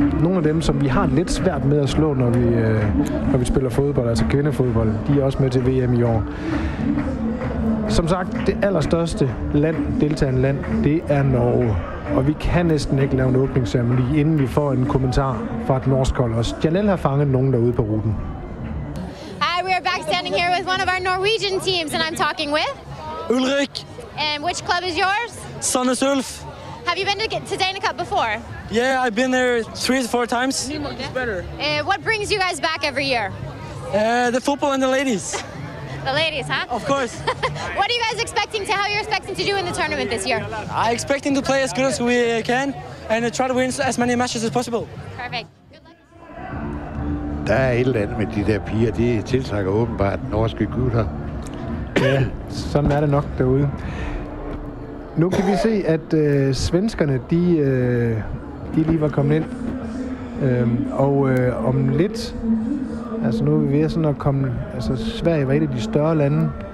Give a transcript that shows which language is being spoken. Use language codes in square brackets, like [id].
[da] Nogle af dem, som vi har lidt svært med at slå, når vi spiller fodbold, altså kvindefodbold, de er også med til VM i år. Som sagt, det allerstørste land, deltagende land, det er Norge. Og vi kan næsten ikke lave en åbningsceremoni, inden vi får en kommentar fra et norsk hold også. Janelle har fanget nogen derude på ruten. [en] Hi, we are back standing here with one of our Norwegian teams, and I'm talking with... Ulrik! And which club is yours? Sandnes Ulf. Have you been to Danakop before? Yeah, I've been there 3 to 4 times. It's better. What brings you guys back every year? The football and the ladies. The ladies, huh? Of course. What are you guys expecting to, how are you expecting to do in the tournament this year? I'm expecting to play as good as we can and try to win as many matches as possible. Perfect. Good luck. [da] Der er et eller andet med de der piger, de tiltrækker åbenbart norske gutter. Ja, sådan er det nok derude. Nu kan vi se, at svenskerne, de lige var kommet ind. Om lidt, altså nu er vi ved sådan at komme, altså Sverige var et af de større lande.